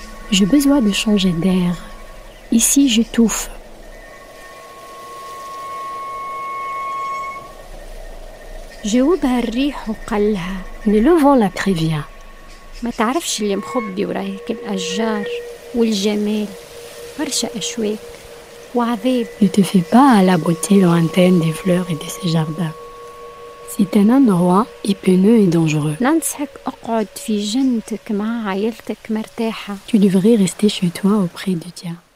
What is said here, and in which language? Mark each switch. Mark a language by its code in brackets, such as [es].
[fr] J'ai besoin de changer d'air. Ici, j'étouffe. « Mais le vent la prévient. [ar] ما تعرفش اللي مخبي ورا هيك الأشجار والجمال برشا أشواك وعذاب. [fr] Ne te fais pas à la beauté lointaine des fleurs et de ces jardins. C'est un endroit épineux et dangereux. [ar] ننصحك اقعد في جنتك مع عائلتك مرتاحة. [fr] Tu devrais rester chez toi auprès du tien.